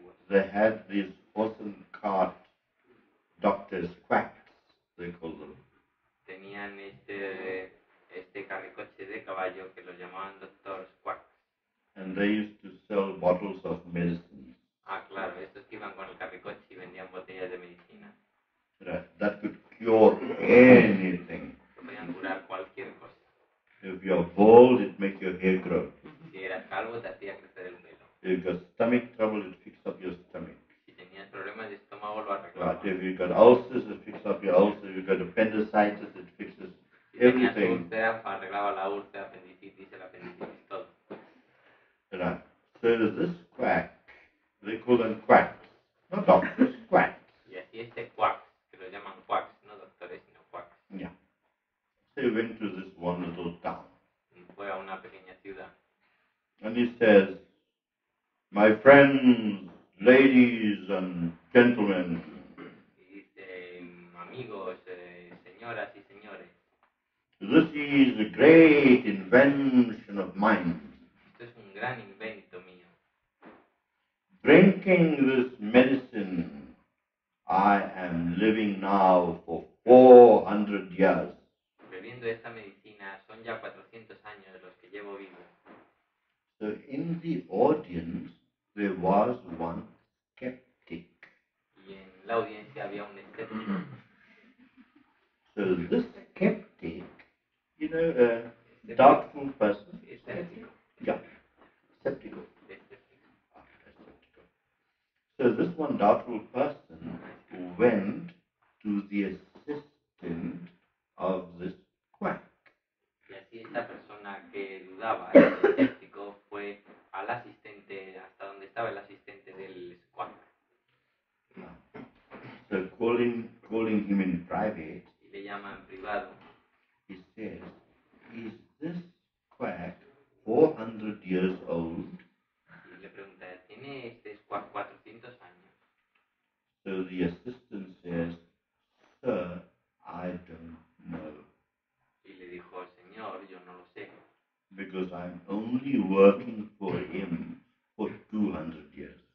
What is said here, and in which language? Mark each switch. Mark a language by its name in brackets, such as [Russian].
[English] They had these awesome cart doctors, quacks, they called them. [Spanish] Tenían este carricoche de caballo que los llamaban doctores quacks. [English] And they used to sell bottles. bottles of medicine. [Spanish] Ah, claro, estos que iban con el carricoche y vendían botellas de medicina. [English] Right, that could cure anything. [Spanish] Podían curar cualquier cosa. [English] If you're bald, it makes your hair grow. [Spanish] Si eras calvo, te hacía crecer el pelo. [English] If you've got stomach trouble, it fixes up your stomach. [Spanish] Si tenías problemas de estómago, lo arreglaba. [English] Right, if you've got ulcers, it fixes up your ulcers. If you've got appendicitis, it fixes [Spanish] si [English] everything. [Spanish] Si tenías úlcera, arreglaba la úlcera, apendicitis, el apendicitis, todo. [English] Right. So there's this quack, they call them quacks, not doctors, quacks. Yes, yeah, [Spanish] este quack, que lo llaman quacks, no doctores, sino quacks. [English] Yeah. So he went to this one little town. [Spanish] Fue a una pequeña ciudad. [English] And he says, my friends, ladies and gentlemen. [Spanish] Y dice, amigos, señoras y señores. [English] This is a great invention of mine. [Spanish] Es un gran invento mío. [English] Drinking this medicine, I am living now for 400 years. [Spanish] Bebiendo esta medicina, son ya 400 años los que llevo vivo. [English] So in the audience, there was one skeptic. [Spanish] Y en la audiencia había un escéptico. [English] So this skeptic, you know, a doubtful person. [Spanish] Escéptico. [English] Yeah. Skeptical. So this one doubtful person went to the assistant of this quack. [Spanish] Y así esta persona que dudaba, el escéptico, fue al asistente, hasta donde estaba el asistente del quack. [English] So calling him in private, [Spanish] y le llama en privado, [English] he says, is this quack 400 years old. [Spanish] Y le pregunta, ¿tiene este squat 400 años? [English] So the assistant says, sir, I don't know. [Spanish] Y le dijo, señor, yo no lo sé. [English] Because I'm only working for him for 200 years.